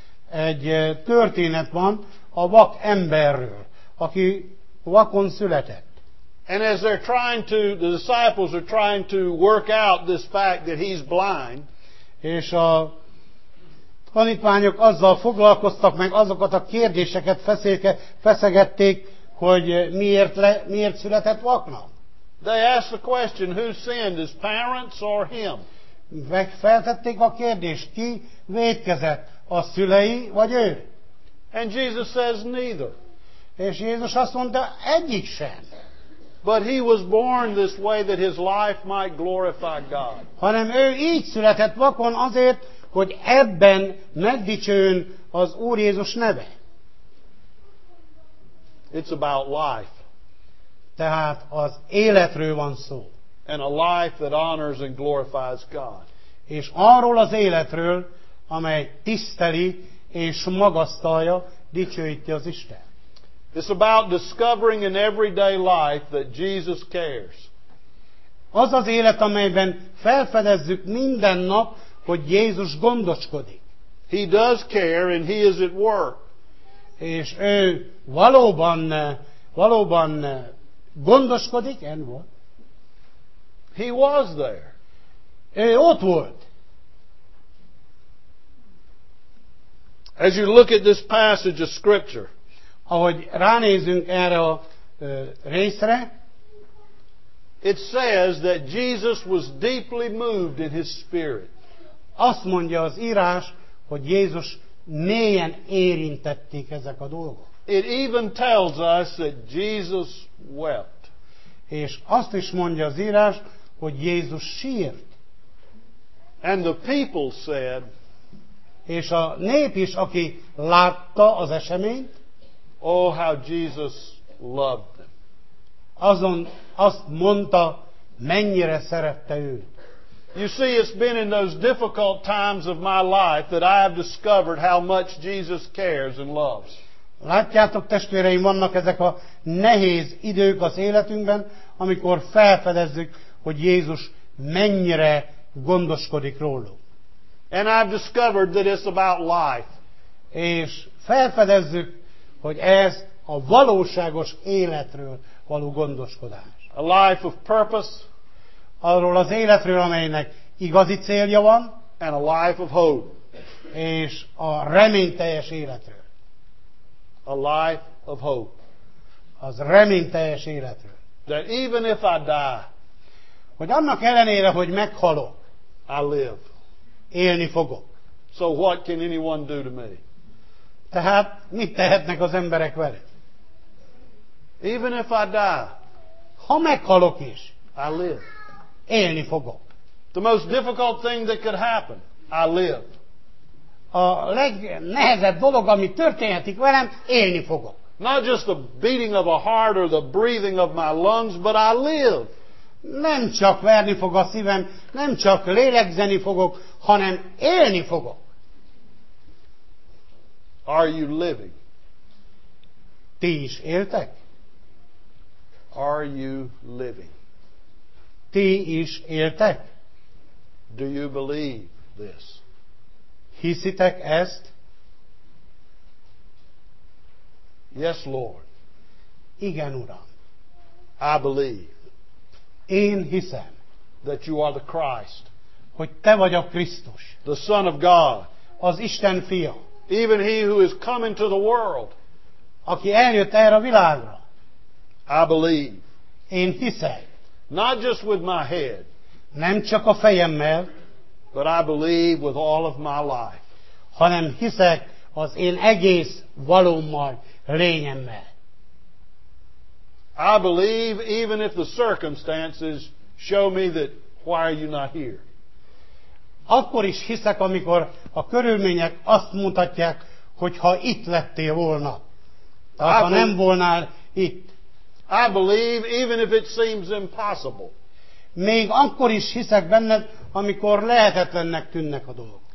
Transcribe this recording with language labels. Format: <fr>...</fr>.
<hu>Egy történet van a vak emberről, aki vakon született.</hu> <en>And as they're trying to, the disciples are trying to work out this fact that he's blind,</en> <hu>és a tanítványok azzal foglalkoztak, meg azokat a kérdéseket feszegették, hogy miért született vaknak.</hu> <en>They asked the question, who sinned, his parents or him?</en> <hu>Megfeltették a kérdést, ki vétkezett, a szülei vagy ő?</hu> <en>And Jesus says neither.</en> <hu>És Jézus azt mondta, egyik sem.</hu> <en>But he was born this way that his life might glorify God.</en> <hu>Hanem ő így született vakon azért, hogy ebben megdicsőjön az Úr Jézus neve.</hu> <en>It's about life.</en> <hu>Tehát az életről van szó.</hu> <en>And a life that honors and glorifies God.</en> <hu>És arról az életről, amely tiszteli és magasztalja, dicsőíti az Isten.</hu> <en>It's about discovering in everyday life that Jesus cares.</en> <hu>Az az élet, amelyben felfedezzük minden nap, hogy Jézus gondoskodik.</hu> <en>He does care and he is at work.</en> <hu>És ő valóban gondoskodik,</hu> <en>and what? He was there.</en> <hu>Ő ott volt.</hu> <en>As you look at this passage of scripture,</en> <hu>ahogy ránézünk erre a részre,</hu> <en>it says that Jesus was deeply moved in his spirit.</en> <hu>Azt mondja az írás, hogy Jézus mélyen érintették ezek a dolgok.</hu> <en>It even tells us that Jesus wept.</en> <hu>És azt is mondja az írás, hogy Jézus sírt.</hu> <en>And the people said,</en> <hu>és a nép is, aki látta az eseményt,</hu> <en>oh, how Jesus loved them.</en> <hu>Azon azt mondta, mennyire szerette őt.</hu> <en>You see, it's been in those difficult times of my life that I have discovered how much Jesus cares and loves.</en> <hu>Látjátok, testvéreim, vannak ezek a nehéz idők az életünkben, amikor felfedezzük, hogy Jézus mennyire gondoskodik rólunk.</hu> <en>And I've discovered that it's about life.</en> <hu>És felfedezzük, hogy ez a valóságos életről való gondoskodás.</hu> <en>A life of purpose.</en> <hu>Arról az életről, amelynek igazi célja van,</hu> <en>and a life of hope.</en> <hu>És a reményteljes életről.</hu> <en>A life of hope.</en> <hu>Az reményteljes életről.</hu> <en>That even if I die,</en> <hu>hogy annak ellenére, hogy meghalok,</hu> <en>I live.</en> <hu>Élni fogok.</hu> <en>So what can anyone do to me?</en> <hu>Tehát mit tehetnek az emberek vele?</hu> <en>Even if I die,</en> <hu>ha meghalok is,</hu> <en>I live.</en> <hu>Élni fogok.</hu> <en>The most difficult thing that could happen, I live.</en> <hu>A legnehezebb dolog, ami történhetik velem, élni fogok.</hu> <en>Not just the beating of a heart or the breathing of my lungs, but I live.</en> <hu>Nem csak verni fog a szívem, nem csak lélegzeni fogok, hanem élni fogok.</hu> <en>Are you living?</en> <hu>Ti is éltek?</hu> <en>Are you living?</en> <hu>Ti is éltek?</hu> <en>Do you believe this?</en> <hu>Hiszitek ezt?</hu> <en>Yes, Lord.</en> <hu>Igen, Uram.</hu> <en>I believe.</en> <hu>Én hiszem.</hu> <en>That you are the Christ.</en> <hu>Hogy te vagy a Krisztus.</hu> <en>The Son of God.</en> <hu>Az Isten fia.</hu> <en>Even he who is coming to the world.</en> <hu>Aki eljött erre a világra.</hu> <en>I believe.</en> <hu>Én hiszem.</hu> <en>Not just with my head.</en> <hu>Nem csak a fejemmel.</hu> <en>But I believe with all of my life.</en> <hu>Hanem hiszek az én egész valómmal, lényemmel.</hu> <en>I believe even if the circumstances show me that why are you not here.</en> <hu>Akkor is hiszek, amikor a körülmények azt mutatják, hogy ha itt lettél volna. Tehát ha nem volnál itt.</hu> <en>I believe even if it seems impossible.</en> <hu>Még akkor is hiszek benned, amikor lehetetlennek tűnnek a dolgok.</hu>